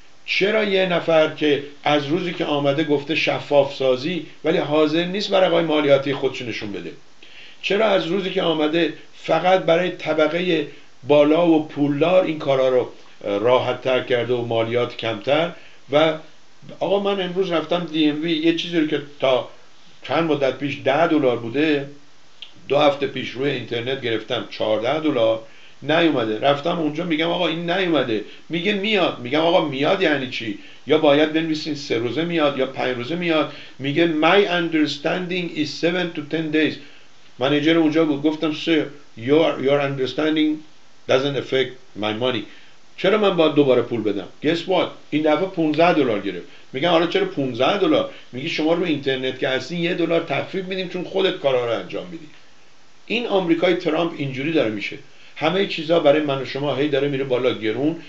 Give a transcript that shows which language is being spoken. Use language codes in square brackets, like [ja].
[fa] چرا یه نفر که از روزی که آمده گفته شفاف سازی، ولی حاضر نیست ورقای مالیاتی خودش نشون بده؟ چرا از روزی که آمده فقط برای طبقه بالا و پولدار این کارا رو راحت تر کرده و مالیات کمتر؟ و آقا من امروز رفتم دی ام وی، یه چیزی رو که تا چند مدت پیش 10 دلار بوده، 2 هفته پیش روی اینترنت گرفتم 14 دلار، نیومده. رفتم اونجا میگم آقا این نیومده، میگه میاد. میگم آقا میاد یعنی چی؟ یا باید بنویسین 3 روزه میاد یا 5 روزه میاد؟ میگه [en] my understanding is 7 to 10 days. [fa] منیجر اونجا بود، گفتم سر [en] your understanding doesn't affect my money. [fa] چرا من باید دوباره پول بدم؟ [en] guess what، [fa] این دفعه 15 دلار گرفت. میگم آره چرا 15 دلار؟ میگه شما رو اینترنت که هستین 1 دلار تخفیف میدیم چون خودت کارا رو انجام میدی. این آمریکای ترامپ اینجوری داره میشه، همه چیزا برای من و شما هی داره میره بالا گرون.